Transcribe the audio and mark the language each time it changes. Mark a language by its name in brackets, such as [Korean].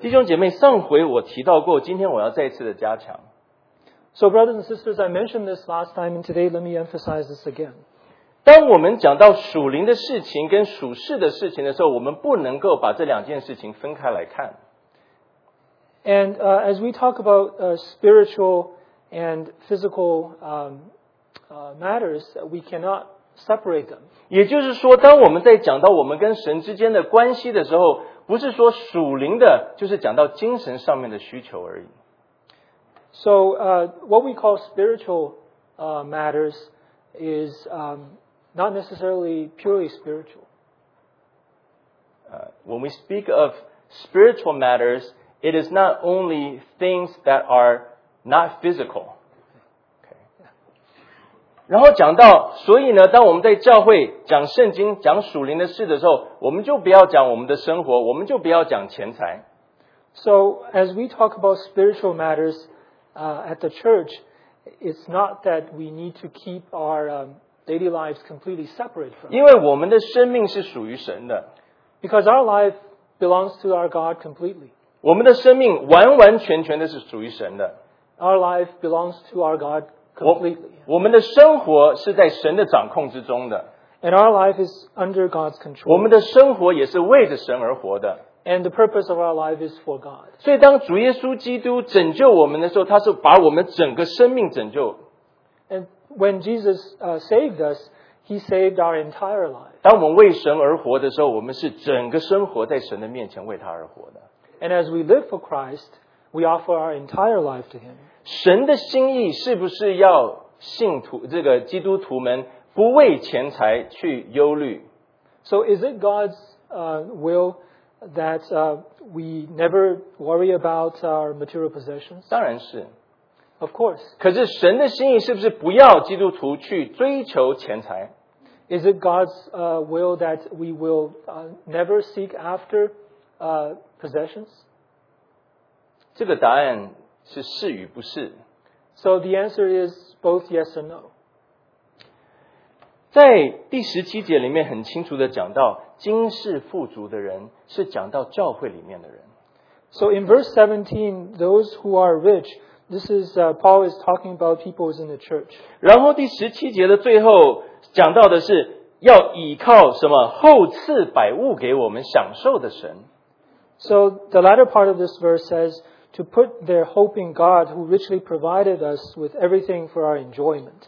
[Chinese] 弟兄姐妹，上回我提到过，今天我要再一次的加强。 [English] So brothers and sisters, I mentioned this last time, and today let me emphasize this again. [Chinese] 当我们讲到属灵的事情跟属世的事情的时候，我们不能够把这两件事情分开来看。 [English] And as we talk about spiritual and physical matters, we cannot. Separate them. [Chinese] 也就是说，当我们在讲到我们跟神之间的关系的时候，不是说属灵的，就是讲到精神上面的需求而已。 [English] So, what we call spiritual matters is not necessarily purely spiritual. When we speak of spiritual matters, it is not only things that are not physical. [Chinese] 然后讲到，所以呢，当我们在教会讲圣经、讲属灵的事的时候，我们就不要讲我们的生活，我们就不要讲钱财。 [English] So as we talk about spiritual matters, at the church, it's not that we need to keep our daily lives completely separate from. [Chinese] 因为我们的生命是属于神的。 [English] Because our life belongs to our God completely. [Chinese] 我们的生命完完全全的是属于神的。 [English] Our life belongs to our God. [Chinese] 我们的生活是在神的掌控之中的。 [English] And our life is under God's control. [Chinese] 我们的生活也是为着神而活的。 [English] And the purpose of our life is for God. [Chinese] 所以当主耶稣基督拯救我们的时候，他是把我们整个生命拯救。 [English] And when Jesus saved us, he saved our entire life. [Chinese] 当我们为神而活的时候，我们是整个生活在神的面前为他而活的。 [English] And as we live for Christ, we offer our entire life to him. [Chinese] 神的心意是不是要信徒这个基督徒们不为钱财去忧虑 [English] ？So is it God's will that we never worry about our material possessions？ [Chinese] 当然是 [English] ，Of course。 [Chinese] 可是神的心意是不是不要基督徒去追求钱财 [English] Is it God's will that we will never seek after possessions? [Chinese] 这个答案是是与不是。 [English] So the answer is both yes and no. [Chinese] 在第十七节里面很清楚地讲到，今世富足的人是讲到教会里面的人。 [English] So in verse 17, those who are rich, this is Paul is talking about people who's in the church. [Chinese] 然后第十七节的最后讲到的是要依靠什么后赐百物给我们享受的神。 [English] So the latter part of this verse says to put their hope in God who richly provided us with everything for our enjoyment.